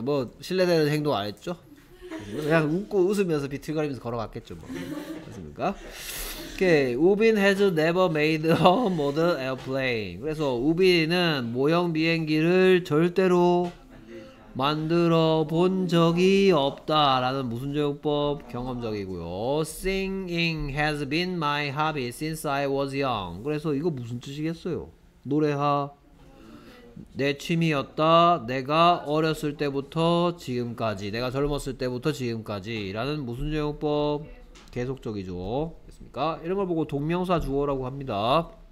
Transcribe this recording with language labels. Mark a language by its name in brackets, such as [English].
[Korean] 뭐 실례되는 행동 안 했죠? 그냥 웃고 웃으면서 비틀거리면서 걸어갔겠죠 뭐. 됐습니까? 오케이. [English] Ubin has never made a model airplane. [Korean] 그래서 우빈은 모형 비행기를 절대로 만들어 본 적이 없다 라는 무슨 적용법? 경험적이고요. [English] Singing has been my hobby since I was young. [Korean] 그래서 이거 무슨 뜻이겠어요? 노래하 내 취미였다. 내가 어렸을 때부터 지금까지, 내가 젊었을 때부터 지금까지 라는 무슨 적용법? 계속적이죠. 됐습니까? 이런 걸 보고 동명사 주어라고 합니다.